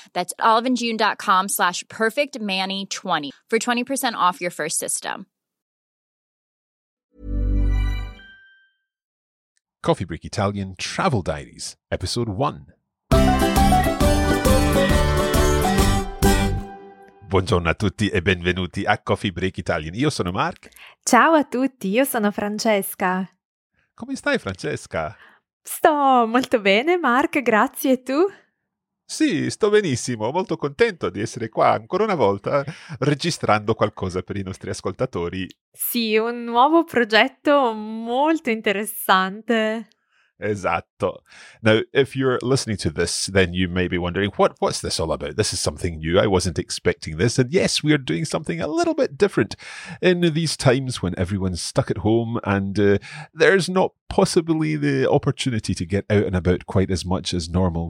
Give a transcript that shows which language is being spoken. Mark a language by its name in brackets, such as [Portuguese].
[English] That's oliveandjune.com/perfectmanny20 for 20% off your first system. Coffee Break Italian Travel Diaries, Episode 1. [Italian] Buongiorno a tutti e benvenuti a Coffee Break Italian. Io sono Mark. Ciao a tutti, io sono Francesca. Come stai, Francesca? Sto molto bene, Mark, grazie. E tu? Sì, sto benissimo, molto contento di essere qua ancora una volta registrando qualcosa per i nostri ascoltatori. Sì, un nuovo progetto molto interessante. Esatto. [English] Now, if you're listening to this, then you may be wondering, what's this all about? This is something new. I wasn't expecting this. And yes, we are doing something a little bit different in these times when everyone's stuck at home and there's not possibly the opportunity to get out and about quite as much as normal.